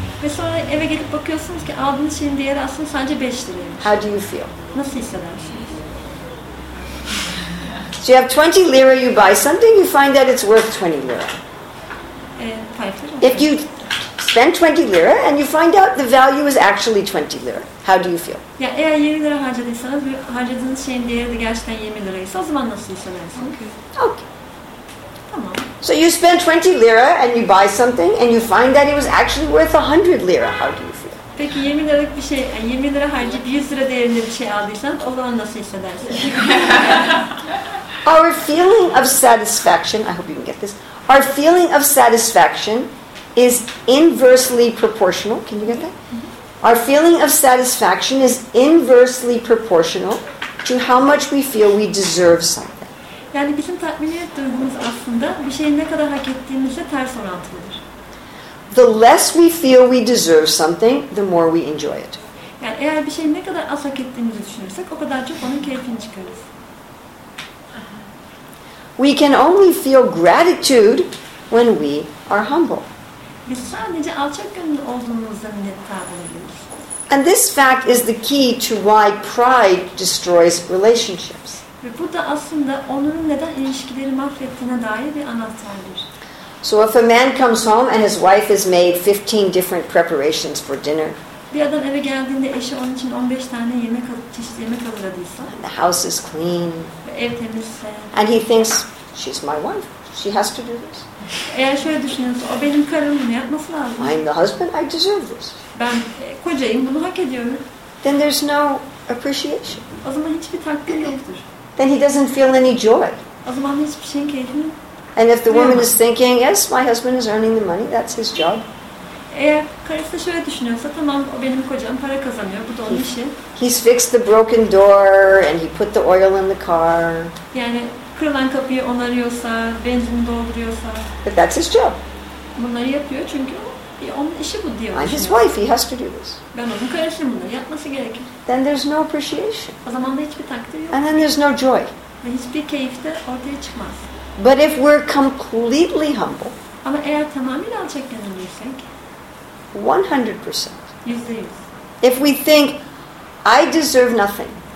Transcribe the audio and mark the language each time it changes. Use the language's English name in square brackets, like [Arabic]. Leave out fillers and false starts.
[Turkish] Ve sonra eve gelip bakıyorsunuz ki aldığınız şeyin değeri aslında sadece 5 liraymış. [English] How do you feel? [Turkish] Nasıl hissedersiniz? [English] So you have 20 lira, you buy something, you find that it's worth 20 lira. [Turkish] 5 lira. [English] If you spend 20 lira and you find out the value is actually 20 lira. How do you feel? [Turkish] Ya eğer 20 lira harcadıysanız ve harcadığınız şeyin değeri de gerçekten 20 liraysa o zaman nasıl hissedersiniz? [English] Okay. [Turkish] Tamam. [English] So you spend 20 lira and you buy something and you find that it was actually worth 100 lira. How do you feel? [Turkish] Peki 20 liralık bir şey, yani 20 lira harcayıp 100 lira değerinde bir şey aldıysanız o zaman nasıl hissedersiniz? [English] Our feeling of satisfaction, I hope you can get this. Our feeling of satisfaction is inversely proportional. Can you get that? Mm-hmm. Our feeling of satisfaction is inversely proportional to how much we feel we deserve something. [Turkish] Yani bizim tatminiyet duygumuz aslında bir şeyi ne kadar hak ettiğimizle ters orantılıdır. [English] The less we feel we deserve something, the more we enjoy it. [Turkish] Yani eğer bir şeyi ne kadar az hak ettiğimizi düşünürsek o kadar çok onun keyfini çıkarız. [English] We can only feel gratitude when we are humble. [Turkish] Biz sadece alçak gönüllü olduğumuzda minnettar olabiliriz. [English] And this fact is the key to why pride destroys relationships. [Turkish] Ve bu da aslında onurun neden ilişkileri mahvettiğine dair bir anahtardır. [English] So if a man comes home and his wife has made 15 different preparations for dinner. [Turkish] Bir adam eve geldiğinde eşi onun için 15 tane çeşit yemek hazırladıysa. [English] And the house is clean. [Turkish] Ve ev temizse. [English] And he thinks, she's my wife. She has to do this. [Turkish] Eğer şöyle düşünüyorsa, o benim karım, bunu yapması lazım. [English] I'm the husband, I deserve this. [Turkish] Ben kocayım, bunu hak ediyorum. [English] Then there's no appreciation. [Turkish] O zaman hiçbir takdir yoktur. [English] Then he doesn't feel any joy. [Turkish] O zaman hiçbir şeyin keyfini. [English] And if the woman is thinking, yes, my husband is earning the money, that's his job. [Turkish] Eğer karısı şöyle düşünüyorsa, tamam, o benim kocam, para kazanıyor, bu da onun işi. [English] He's fixed the broken door and he put the oil in the car. [Turkish] Yani kırılan kapıyı onarıyorsa, benzin dolduruyorsa. [English] But that's his job. [Turkish] Bunları yapıyor çünkü onun işi bu diye düşünüyor. [English] I'm his wife, he has to do this. [Turkish] Ben onun karısıyım, bunları yapması gerekir. [English] Then there's no appreciation. [Turkish] O zaman da hiçbir takdir yok. [English] And then there's no joy. [Turkish] Ve hiçbir keyif de ortaya çıkmaz. [English] But if we're completely humble, [Turkish] ama eğer tamamen alçak gönüllüysek, [English] 100%. [Turkish] %100. [English] If we think I deserve nothing,